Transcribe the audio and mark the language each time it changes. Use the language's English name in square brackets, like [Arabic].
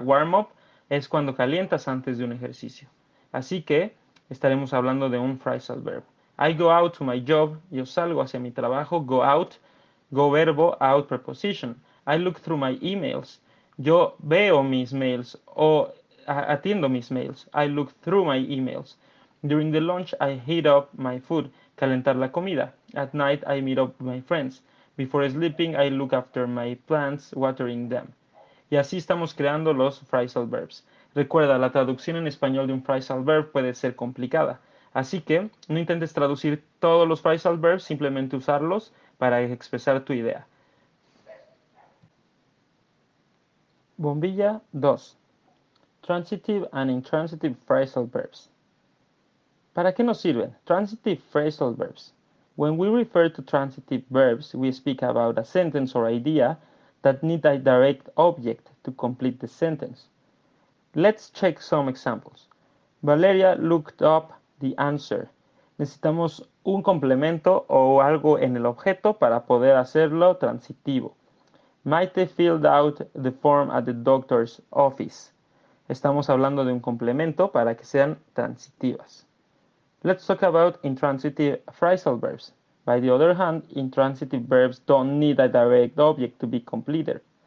[Spanish] Warm up es cuando calientas antes de un ejercicio. Así que estaremos hablando de un phrasal verb. [English] I go out to my job. [Spanish] Yo salgo hacia mi trabajo. [English] Go out. Go verbo. Out preposition. I look through my emails. [Spanish] Yo veo mis mails o atiendo mis mails. [English] I look through my emails. During the lunch, I heat up my food. [Spanish] Calentar la comida. [English] At night, I meet up with my friends. Before sleeping, I look after my plants, watering them. [Spanish] Y así estamos creando los phrasal verbs. Recuerda, la traducción en español de un phrasal verb puede ser complicada. Así que no intentes traducir todos los phrasal verbs, simplemente usarlos para expresar tu idea. Bombilla 2. [English] Transitive and intransitive phrasal verbs. [Spanish] ¿Para qué nos sirven? [English] Transitive phrasal verbs. When we refer to transitive verbs, we speak about a sentence or idea that need a direct object to complete the sentence. Let's check some examples. Valeria looked up the answer. [Spanish] Necesitamos un complemento o algo en el objeto para poder hacerlo transitivo. [English] Maite filled out the form at the doctor's office. [Spanish] Estamos hablando de un complemento para que sean transitivas. [English] Let's talk about intransitive phrasal verbs. By the other hand, intransitive verbs don't need a direct object to be completed.